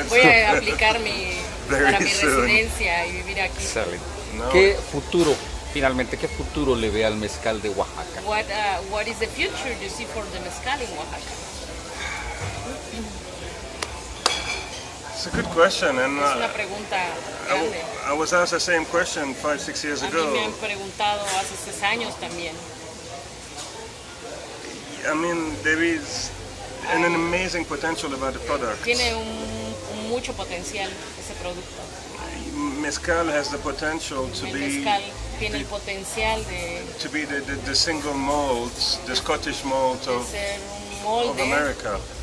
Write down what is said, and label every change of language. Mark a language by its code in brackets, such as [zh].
[es] Voy a aplicar mi, para mi residencia y vivir aquí. [en] Excellent. [es] ¿Qué futuro, finalmente, qué futuro le ve al mezcal de Oaxaca? [en] What is the future you see for the mezcal in Oaxaca? It's a good question. And, [es] es una pregunta grande. [en] I was asked the same question 5-6 years ago. [es] A mí me han preguntado hace 6 años también. [en] I mean, there is an amazing potential about the product. [es] Tiene un mucho potencial ese producto. [en] Mezcal has the potential to be the single malt, the Scottish malt of America.